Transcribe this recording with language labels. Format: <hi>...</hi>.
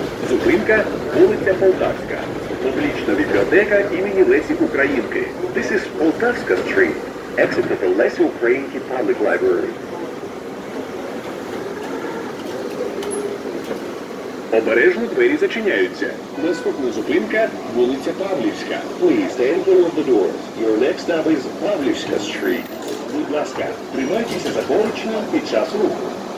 <uk>Українка, вулиця Полтавська. Публічна бібліотека імені Лесі Українки.</uk> <en>This is Полтавська Street, exit of the Лесі Українки Public Library.</en> <uk>Обережно двері зачиняються. Наступна зупинка – вулиця Павлівська.</uk> <en>Please stand below the doors. Your next stop is Павлівська Street.</en> <uk>Будь ласка, тримайтеся за поручні під час руху.</uk>